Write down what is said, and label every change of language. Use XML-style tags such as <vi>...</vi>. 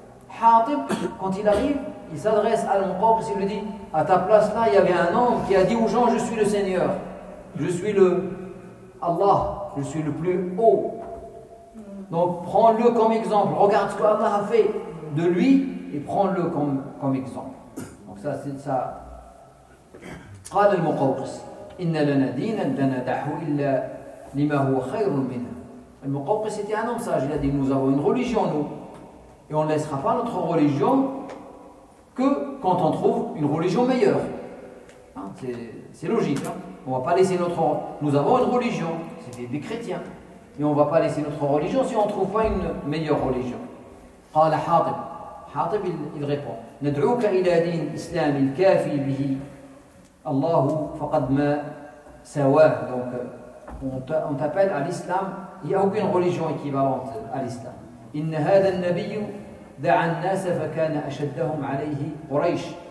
<fr>Hatib, quand il arrive, il s'adresse à l'Mouqawqis et il lui dit, à ta place là, il y avait un homme qui a dit aux gens, je suis le seigneur. Je suis le Allah, je suis le plus haut. Donc prends-le comme exemple, regarde ce que Allah a fait de lui et prends-le comme exemple. Donc ça c'est ça.</fr> <ar>قال المقوقس إن لنا دينا لندعه إلا لما هو خير منه.</ar> <fr>Le Mouqawqis était un homme sage, il a dit nous avons une religion nous et on ne laissera pas notre religion que quand on trouve une religion meilleure. Hein, c'est logique. Hein. On ne va pas laisser notre nous avons une religion, c'est des chrétiens. Et on ne va pas laisser notre religion si on ne trouve pas une meilleure religion.</fr> <ar>قال حاطب.</ar> <fr>حاطب il répond.</fr> <ar>ندعوك إلى دين إسلام الكافي به الله فقد ما سواه.</ar> <fr>Donc on t'appelle à l'islam. Il n'y a aucune religion équivalente à l'islam.</fr> <ar>إن هذا النبي دعا الناس فكان أشدهم عليه قريش.</ar>